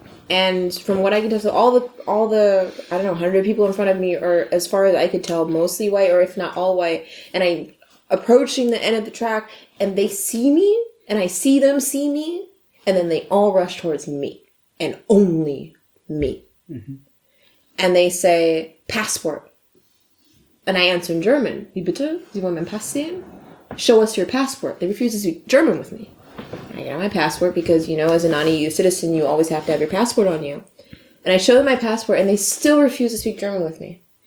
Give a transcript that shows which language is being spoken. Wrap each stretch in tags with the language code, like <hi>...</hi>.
<en>And from what I can tell, so all the I don't know, 100 people in front of me are, as far as I could tell, mostly white, or if not all white. And I'm approaching the end of the track, and they see me, and I see them see me, and then they all rush towards me, and only me. Mm-hmm. And they say, passport. And I answer in German,</en> <de>wie bitte, Sie wollen mein Pass sehen?</de> <en>Show us your passport. They refuse to speak German with me. I get my passport because, you know, as a non-EU citizen, you always have to have your passport on you. And I show them my passport, and they still refuse to speak German with me.</en>